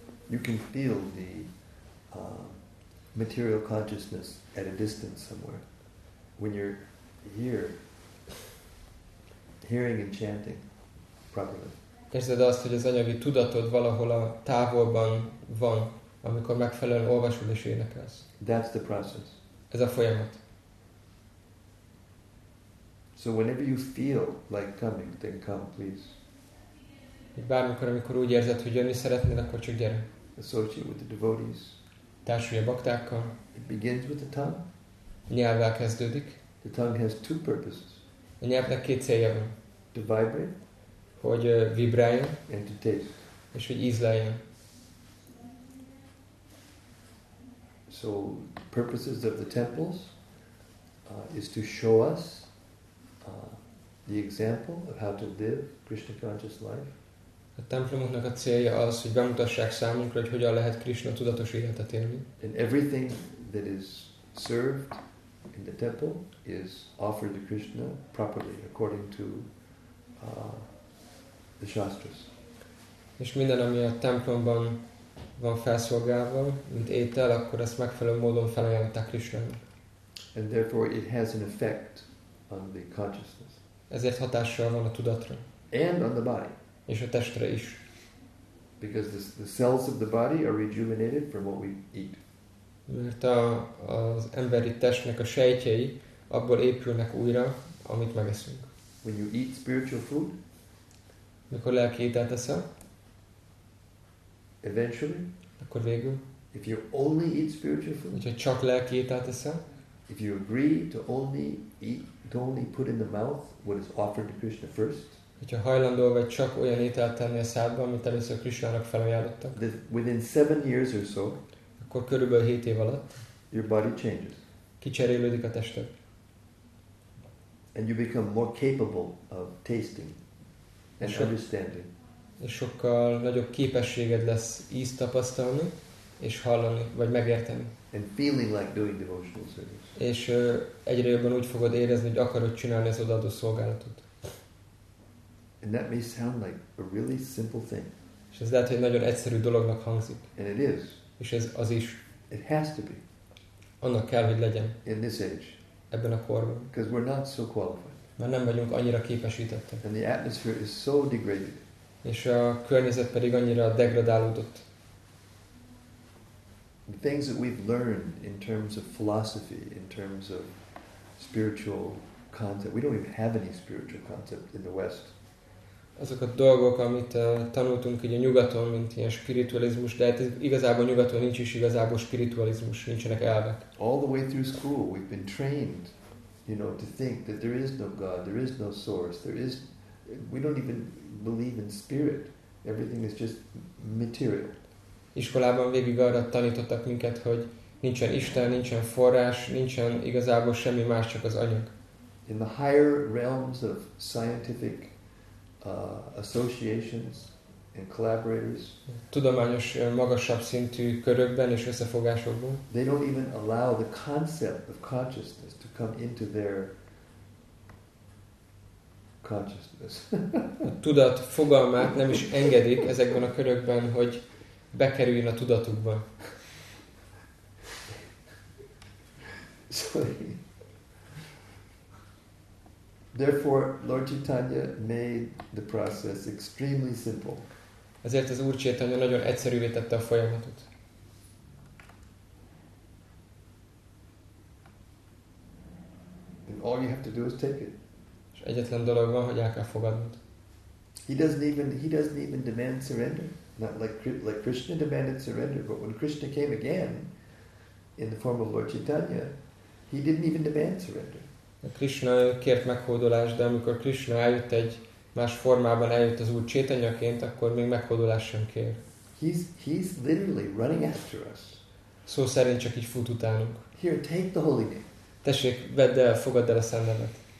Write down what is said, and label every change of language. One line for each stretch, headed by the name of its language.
English: You can feel the material consciousness at a distance somewhere. When you're here, hearing and chanting properly.
Hungarian: Érzed azt, hogy az anyagi tudatod valahol a távolban van, amikor megfelelően olvasod és énekelsz.
English: That's the process.
Hungarian: Ez a folyamat.
English: So whenever you feel like coming, then come, please.
Hungarian: Így bármikor, amikor úgy érzed, hogy jönni szeretnél, akkor csak gyere.
English: Associate with the devotees.
Hungarian: Társulj a baktákkal.
English: It begins with the tongue.
Hungarian: Nyelvvel kezdődik.
English: The tongue has two purposes.
Hungarian: A nyelvnek két célja van.
English: To vibrate.
Hungarian: Hogy vibráljon.
English: And to taste.
Hungarian: És hogy ízleljen.
English: So, purposes of the temples is to show us the example of how to live Krishna conscious life.
Hungarian: A templomoknak a célja az, hogy bemutassák számunkra, hogy hogyan lehet Krishna tudatos életet élni.
English: And everything that is served in the temple is offered to Krishna properly according to the shastras.
Hungarian: És minden, ami a templomban van felszolgálva, mint étel, akkor ezt megfelelő módon felajánlották Krisnának.
English: And therefore it has an effect on the consciousness.
Hungarian: Ezért hatással van a tudatra.
English: And on the body.
Hungarian: És a testre is.
English: Because the cells of the body are rejuvenated from what we eat.
Hungarian: Mert az emberi testnek a sejtjei abból épülnek újra, amit megeszünk.
English: When you eat spiritual food,
Hungarian: mikor lelki ételt eszel,
English: eventually,
Hungarian: akkor végül,
English: if you only eat spiritual food,
Hungarian: hogyha csak lelki ételt eszel,
English: if you agree to only eat, to only put in the mouth what is offered to Krishna first,
Hungarian: hogyha hajlandó vagy csak olyan ételt tenni a szádba, amit először Krishnának felajánlottak,
English: within 7 years or so,
Hungarian: akkor körülbelül 7 év alatt,
English: your body changes,
Hungarian: kicserélődik a tested,
English: and you become more capable of tasting and understanding.
Hungarian: És sokkal nagyobb képességed lesz ízt tapasztalni és hallani vagy megérteni.
English: And feeling like doing devotional service.
Hungarian: És egyre jobban úgy fogod érezni, hogy akarod csinálni az odaadó szolgálatot.
English: And that may sound like a really simple thing.
Hungarian: És ez lehet, hogy nagyon egyszerű dolognak hangzik.
English: And it is.
Hungarian: És ez az is.
English: It has to be.
Hungarian: Annak kell, hogy legyen.
English: In this age.
Hungarian: Ebben a korban.
English: Because we're not so qualified.
Hungarian: Mert nem vagyunk annyira képesítettek.
English: And the atmosphere is so degraded.
Hungarian: És a környezet pedig annyira degradálódott.
English: The things that we've learned in terms of philosophy, in terms of spiritual concept, we don't even have any spiritual concept in the West.
Hungarian: Azok a dolgok, amit tanultunk így a nyugaton, mint ilyen spiritualizmus, de igazából nyugaton nincs is igazából spiritualizmus, nincsenek elvek.
English: All the way through school we've been trained, you know, to think that there is no God, there is no source, there is, we don't even believe in spirit. Everything is just material.
Hungarian: Iskolában végig arra tanítottak minket, hogy nincsen Isten, nincsen forrás, nincsen igazából semmi más, csak az anyag.
English: In the higher realms of scientific associations and collaborators,
Hungarian: tudományos magasabb szintű körökben és összefogásokban,
English: they don't even allow the concept of consciousness to come into their consciousness.
Hungarian: A tudat fogalmát nem is engedik ezekben a körökben, hogy bekerüljön a tudatukba.
English: Sorry. Therefore, Lord Chaitanya made the process extremely simple.
Hungarian: Ezért az Úr Chaitanya nagyon egyszerűvé tette a folyamatot.
English: And all you have to do is take it.
Hungarian: És egyetlen dolog van, hogy el kell fogadnod.
English: He doesn't even demand surrender. Not like Krishna demanded surrender, but when Krishna came again in the form of Lord Chaitanya, he didn't even demand surrender.
Hungarian: Krishna kért meghódolást, de amikor Krishna eljött egy más formában, eljött az Úr Chaitanyaként, akkor még meghódolást sem kér.
English: He's literally running after us.
Hungarian: Szó szerint csak így fut utánunk.
English: Here, take the holy name.
Hungarian: Tessék, vedd el, fogadd el a szent nevet.